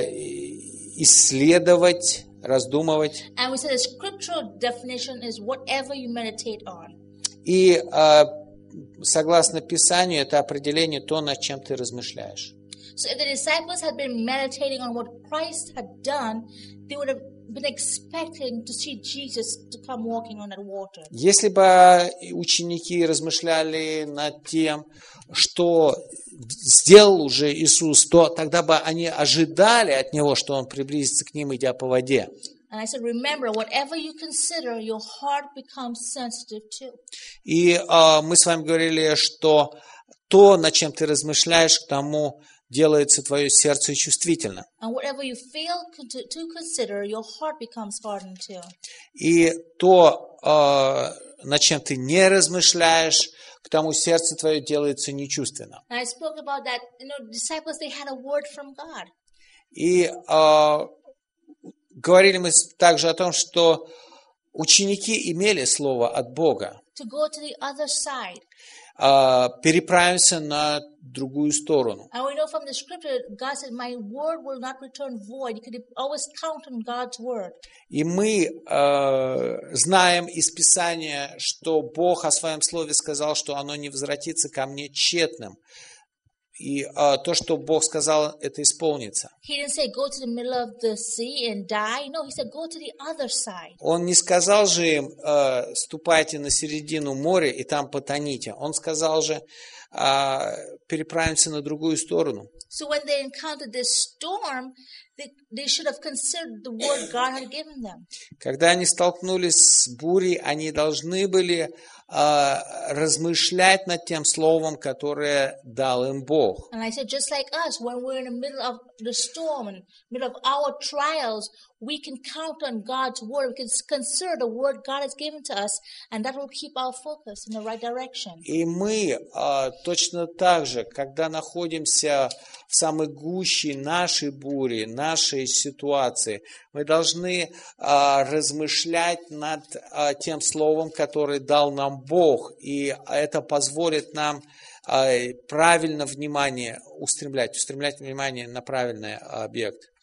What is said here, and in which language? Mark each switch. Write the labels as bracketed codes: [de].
[ru] исследовать, раздумывать. [en] And we said the scriptural definition is whatever you meditate on. [ru] И согласно Писанию, это определение то, над чем ты размышляешь. [en] So if the disciples had been meditating on what Christ had done, they would have been expecting to see Jesus to come walking on that water. [ru] Если бы ученики размышляли над тем, что сделал уже Иисус, то тогда бы они ожидали от него, что он приблизится к ним, идя по воде. [en] And I said, remember, whatever you consider, your heart becomes sensitive too. [ru] И мы с вами говорили, что то, над чем ты размышляешь, к тому делается твое сердце чувствительно. [en] And whatever you fail to consider, your heart becomes hardened too. [ru] И то, над чем ты не размышляешь, к тому сердце твое делается нечувственно. [en] And I spoke about that, disciples, they had a word from God. [ru] И говорили мы также о том, что ученики имели слово от Бога. [en] To go to the other side. [ru] Переправимся на другую сторону. [en] And we know from the scripture, God said, my word will not return void. You can always count on God's word. [ru] И мы знаем из Писания, что Бог о своем слове сказал, что оно не возвратится ко мне тщетным. И то, что Бог сказал, это исполнится. [en] He didn't say, go to the middle of the sea and die. No, he said, go to the other side. [ru] Он не сказал же им, ступайте на середину моря и там потоните. Он сказал же, переправимся на другую сторону. [en] So when they encountered this storm, they should have considered the word God had given them. [ru] Когда они столкнулись с бурей, они должны были размышлять над тем словом, которое дал им Бог. [en] And I said, just like us, when we're in the middle of the storm, in the middle of our trials, we can count on God's word, we can consider the word God has given to us, and that will keep our focus in the right direction. [ru] И мы точно так же, когда находимся в самой гуще нашей бури, на нашей ситуации. Мы должны размышлять над тем словом, которое дал нам Бог, и это позволит нам правильно внимание устремлять внимание на правильный объект.